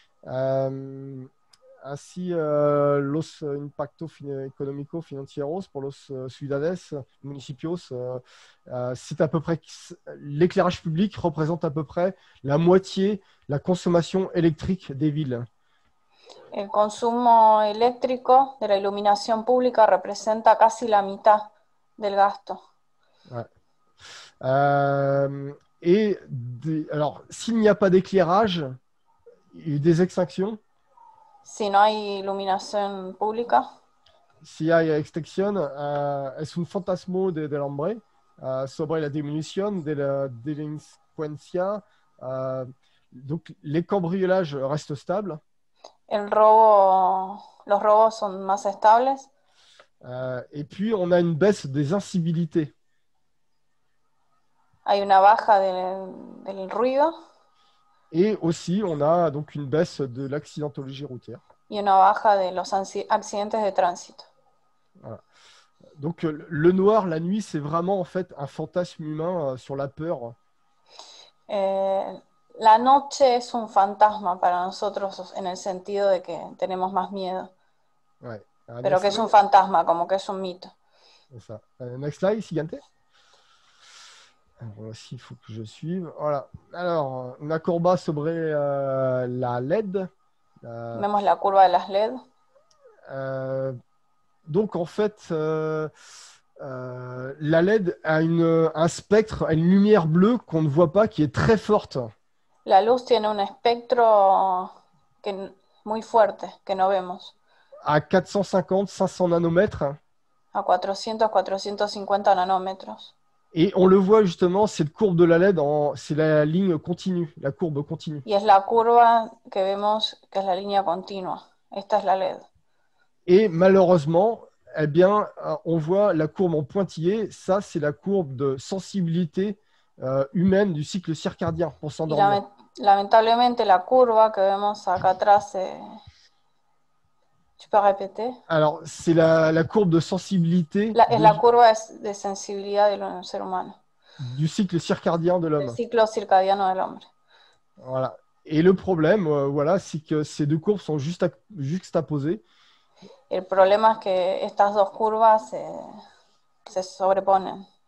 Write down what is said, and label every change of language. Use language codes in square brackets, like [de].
[es] Así los impactos económicos financieros por los ciudades, municipios, [fr] c'est à peu près l'éclairage public représente à peu près la moitié la consommation électrique des villes. [es] El consumo eléctrico de la iluminación pública representa casi la mitad del gasto. [fr] Ouais. Et alors, s'il n'y a pas d'éclairage, il y a des extinctions. [es] Si no hay iluminación pública. Si hay extinción, es un fantasma del hombre sobre la disminución de la delincuencia. [fr] Donc, les cambriolages restent stables. [es] El robo, los robos son más estables. [fr] Et puis, on a une baisse des incivilités. [es] Hay una baja del ruido. [fr] Et aussi, on a donc une baisse de l'accidentologie routière. [es] Y una baja de los accidentes de tránsito. [fr] Voilà. Donc, le noir, la nuit, c'est vraiment en fait un fantasme humain sur la peur. [es] La noche es un fantasma para nosotros en el sentido de que tenemos más miedo. [fr] Ouais. [es] Pero que es un fantasma, como que es un mito. [en] Ça. Next slide, siguiente. [fr] Alors, si, il faut que je suive. Voilà. Alors, [es] una curva sobre la LED. Vemos la curva de las LED. [fr] Donc, en fait, la LED a un spectre, une lumière bleue qu'on ne voit pas, qui est très forte. [es] La luz tiene un espectro que, muy fuerte, que no vemos. [fr] À 450-500 nanomètres. [es] A 400-450 nanomètres. [fr] Et on le voit justement, cette courbe de la LED, c'est la ligne continue, la courbe continue. [es] Y es la curva que vemos que es la línea continua. Esta es la LED. [fr] Et malheureusement, eh bien, on voit la courbe en pointillé. Ça, c'est la courbe de sensibilité humaine du cycle circadien pour s'endormir. [es] Lamentablemente, la curva que vemos acá atrás, [fr] tu peux répéter? Alors, c'est la courbe de sensibilité. [es] La curva de sensibilidad del ser humano. [fr] Du cycle circadien de l'homme. [es] El ciclo circadiano del hombre. [fr] Voilà. Et le problème, voilà, c'est que ces deux courbes sont juxtaposées. [es] El problema es que estas dos curvas se sobreponen.